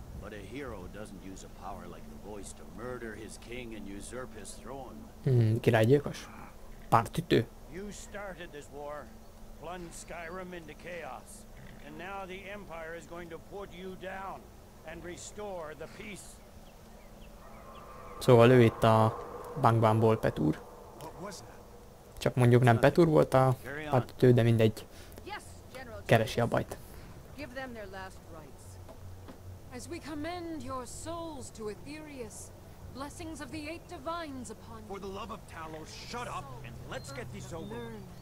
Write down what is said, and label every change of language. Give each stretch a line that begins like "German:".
English: But a hero doesn't use a power like the voice to murder his king and usurp his throne.
Hungarian: Királygyilkos. Pártütő.
English: You started this war, plunged Skyrim into chaos, and now the Empire is going to put you down and restore the peace.
Hungarian: Szóval ő itt a Bangbanból Petúr. Csak mondjuk nem Petúr volt a pártütő, de mindegy. Keresi a bajt.
English: Give them their last rites. As we commend your souls to Aetherius. Blessings of the eight divines upon you. For the love of Talos, shut up and let's get this over.